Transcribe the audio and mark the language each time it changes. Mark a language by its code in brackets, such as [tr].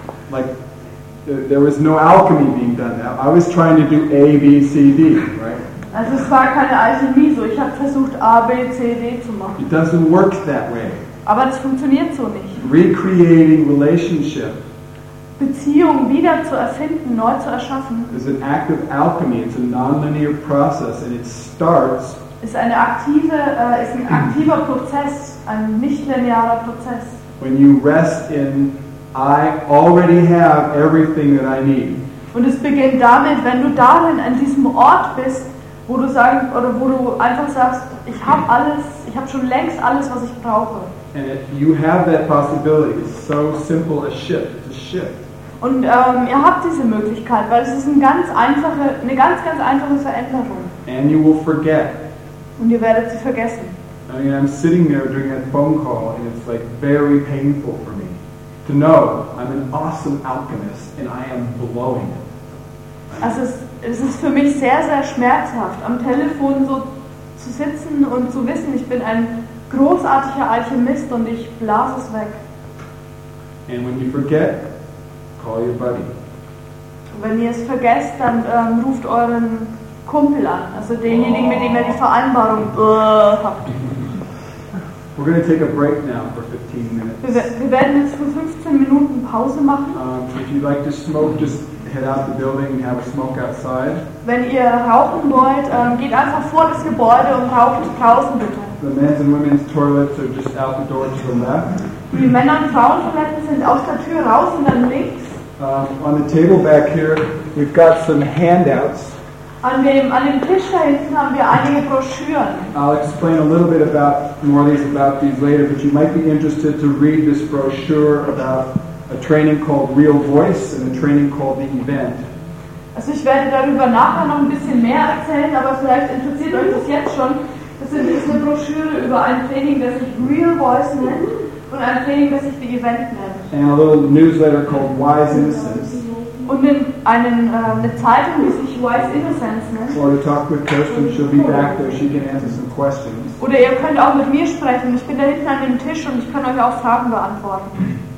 [en] Like, there was no alchemy being done now. I was trying to do A, B, C, D, right? [de] Also es war keine Alchemie, so ich habe versucht A, B, C, D zu machen. [en] It doesn't work that way. [de] Aber es funktioniert so nicht. [en] Recreating relationship. [de] Beziehung wieder zu erfinden, neu zu erschaffen. [en] Is an act of alchemy. It's a non-linear process, and it starts. [de] Ist eine aktive, ist ein aktiver Prozess, ein nicht-linearer Prozess. [en] When you rest in, I already have everything that I need. [de] Und es beginnt damit, wenn du darin an diesem Ort bist, wo du sagen oder wo du einfach sagst, ich habe alles, ich habe schon längst alles, was ich brauche. [en] And you have that possibility. It's so simple a shift to shift. [de] Und ihr habt diese Möglichkeit, weil es ist eine ganz einfache, eine ganz ganz einfache Veränderung. [en] And you will forget. [de] Und ihr werdet sie vergessen. [en] I mean, I'm sitting there doing that phone call, and it's like very painful for me to know I'm an awesome alchemist and I am blowing it. [de] Also es ist für mich sehr, sehr schmerzhaft, am Telefon so zu sitzen und zu wissen, ich bin ein großartiger Alchemist und ich blase es weg. [en] And when you forget, call your buddy. [de] Wenn ihr es vergesst, dann ruft euren Kumpel an, also denjenigen, mit dem ihr die Vereinbarung habt. [en] We're going to take a break now for 15 minutes. [de] Wir werden jetzt für 15 Minuten Pause machen. [en] If you'd like to smoke, just head out the building and have a smoke outside. [de] Wenn ihr rauchen wollt, geht einfach vor das Gebäude und raucht draußen bitte. [en] The men's and women's toilets are just out the door to the left. [de] Die Männer- und Frauentoiletten sind aus der Tür raus und dann links. [en] On the table back here, we've got some handouts. [de] An dem Tisch da hinten haben wir einige Broschüren. [en] I'll explain a little bit about more of these about these later, but you might be interested to read this brochure about a training called Real Voice and a training called The Event. [de] Also ich werde darüber nachher noch ein bisschen mehr erzählen, aber vielleicht interessiert euch das jetzt schon. Das sind diese Broschüre über ein Training, das sich Real Voice nennt und ein Training, das sich The Event nennt. [en] And a little newsletter called Wise Innocence. [de] Und eine Zeitung, die sich Wise Innocence nennt. [en] Or to talk with Kirsten, she'll be back there, she can answer some questions. [de] Oder ihr könnt auch mit mir sprechen, ich bin da hinten an dem Tisch und ich kann euch auch Fragen beantworten.